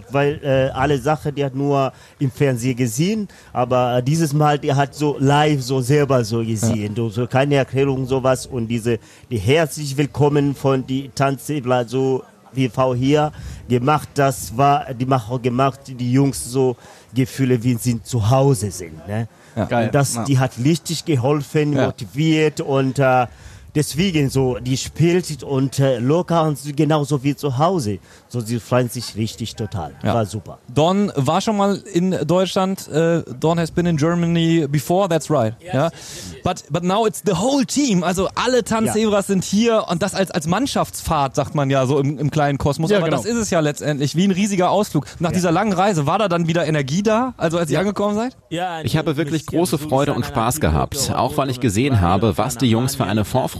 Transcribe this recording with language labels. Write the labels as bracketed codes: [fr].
[de] Weil alle Sachen, die hat nur im Fernsehen gesehen, aber dieses Mal, die hat so live so selber so gesehen, so keine Erklärung sowas und die herzlich willkommen von die Tanzzebras so WV hier gemacht, das war, die machen auch gemacht, die Jungs so Gefühle, wie sie zu Hause sind, ne? Ja. Und das, die hat richtig geholfen, motiviert und deswegen so, die spielt und locker und genauso wie zu Hause. So, sie freuen sich richtig total. Ja. War super. Don war schon mal in Deutschland. [en] Don has been in Germany before, that's right. Yes, yeah. But now it's the whole team. [de] Also alle Tanzzebras sind hier und das als Mannschaftsfahrt, sagt man ja so im kleinen Kosmos. Ja, aber das ist es ja letztendlich, wie ein riesiger Ausflug. Nach dieser langen Reise, war da dann wieder Energie da, also als ihr angekommen seid? Ich habe wirklich große Freude und Spaß gehabt. Auch weil ich gesehen habe, was die Jungs für eine Vorfreude